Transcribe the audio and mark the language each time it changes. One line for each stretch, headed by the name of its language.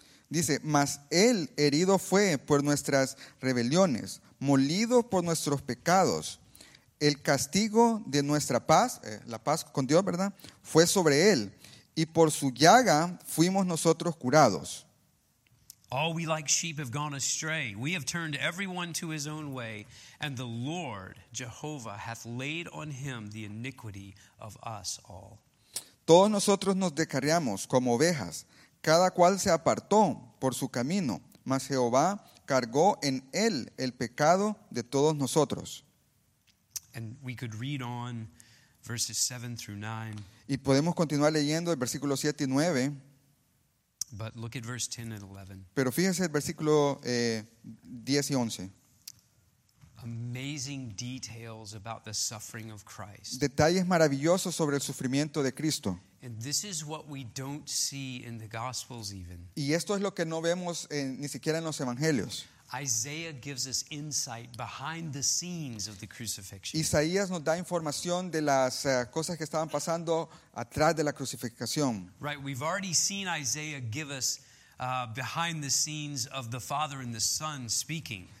Spanish: Dice, mas él herido fue por nuestras rebeliones, molido por nuestros pecados. El castigo de nuestra paz, la paz con Dios, ¿verdad? Fue sobre él. Y por su llaga fuimos nosotros curados.
English: All we like sheep have gone astray. We have turned everyone to his own way. And the Lord, Jehovah, hath laid on him the iniquity of us all.
Spanish: Todos nosotros nos descarriamos como ovejas. Cada cual se apartó por su camino. Mas Jehová cargó en él el pecado de todos nosotros.
English: And we could read on. Verses 7 through 9.
Spanish: Y podemos continuar leyendo el versículo 7 y 9.
English: But look at verse 10 and 11.
Spanish: Pero fíjense el versículo 10 y 11.
English: amazing details about the suffering of Christ.
Spanish: Detalles maravillosos sobre el sufrimiento de Cristo.
English: And this is what we don't see in the Gospels even.
Spanish: Y esto es lo que no vemos ni siquiera en los evangelios.
English: Isaiah gives us insight behind the scenes of the crucifixion.
Spanish: Isaías nos da información de las cosas que estaban pasando atrás de la crucificación.
English: Right, we've already seen Isaiah give us behind the scenes of the Father and the Son speaking.